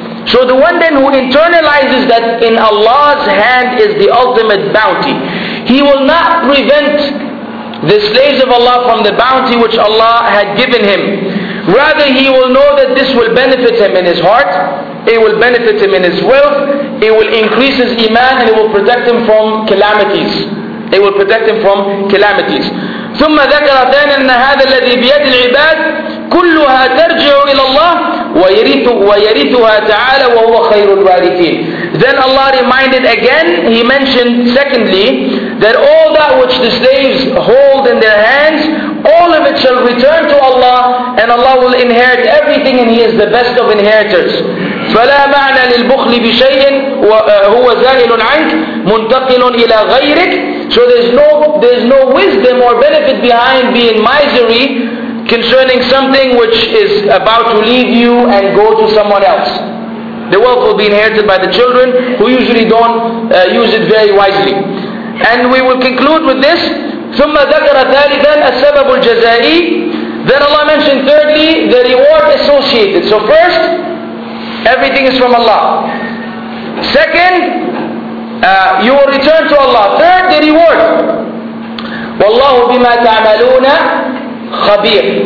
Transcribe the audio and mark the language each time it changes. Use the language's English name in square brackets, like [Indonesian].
[English] So the one then who internalizes that in Allah's hand is the ultimate bounty, he will not prevent the slaves of Allah from the bounty which Allah had given him. Rather, he will know that this will benefit him in his heart, it will benefit him in his wealth, it will increase his iman, and it will protect him from calamities. It will protect him from calamities. [Arabic] ثم ذكر ثانيا أن هذا الذي بيد العباد كلها ترجع إلى الله ويرثها تعالى وهو خير الوارثين. [English] Then Allah reminded again, he mentioned secondly, that all that which the slaves hold in their hands, all of it shall return to Allah, and Allah will inherit everything, and He is the best of inheritors. [Arabic] فلا معنى للبخل بشيء هو زائل عنك منتقل إلى غيرك. [English] So there's no wisdom or benefit behind being miserly concerning something which is about to leave you and go to someone else. The wealth will be inherited by the children who usually don't use it very wisely. And we will conclude with this. [Arabic] ثم ذكر ثالثا السبب الجزائي. [English] Then Allah mentioned thirdly the reward associated. So first, everything is from Allah. Second, you will return to Allah. Third, the reward. [Arabic] وَاللَّهُ بِمَا تَعْمَلُونَ خَبِيرٌ.